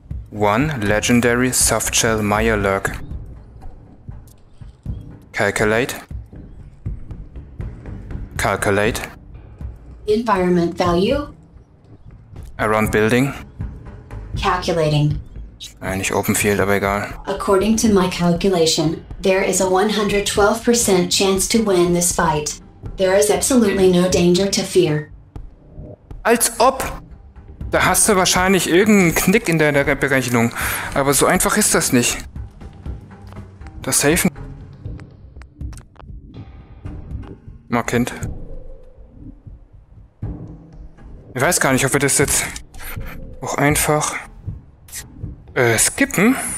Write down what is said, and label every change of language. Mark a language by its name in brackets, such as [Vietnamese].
[English] 1 legendary softshell Myolurk. Calculate. Environment value. Around building. Calculating. [German] Eigentlich [English] open field, [German] aber egal. [English] According to my calculation, there is a 112% chance to win this fight. There is absolutely no danger to fear. [German] Als ob! Da hast du wahrscheinlich irgendeinen Knick in deiner Berechnung. Aber so einfach ist das nicht. Das Safen. Markend. Ich weiß gar nicht, ob wir das jetzt... auch einfach skippen.